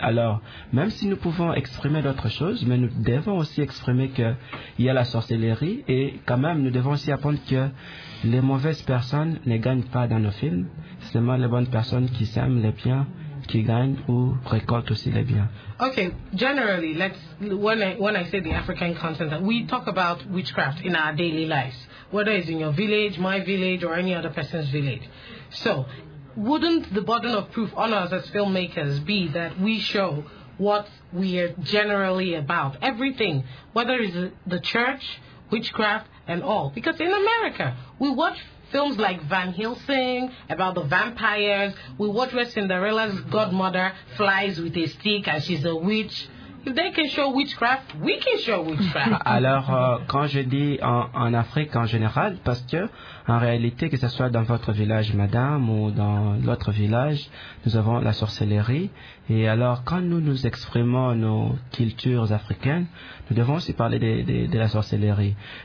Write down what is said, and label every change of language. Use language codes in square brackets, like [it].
[fr] Alors, même si nous pouvons exprimer d'autres choses, mais nous devons aussi exprimer qu'il y a la sorcellerie et quand même, nous devons aussi apprendre que les mauvaises personnes ne gagnent pas dans nos films. C'est seulement les bonnes personnes qui s'aiment les biens qui gagnent ou récoltent aussi les biens. [en] Ok, generally, when I say the African continent, we talk about witchcraft in our daily lives, whether it's in your village, my village, or any other person's village. So, wouldn't the burden of proof on us as filmmakers be that we show what we are generally about? Everything, whether it's the church, witchcraft, and all. Because in America, we watch films like Van Helsing, about the vampires. We watch where Cinderella's godmother flies with a stick and she's a witch. they can show witchcraft, we can show witchcraft. [fr] Alors, quand je dis en Afrique en général, parce que en réalité, que ce soit dans votre village, madame, ou dans l'autre village, nous avons la sorcellerie. Et alors, quand nous exprimons nos cultures africaines, nous devons aussi parler de la sorcellerie.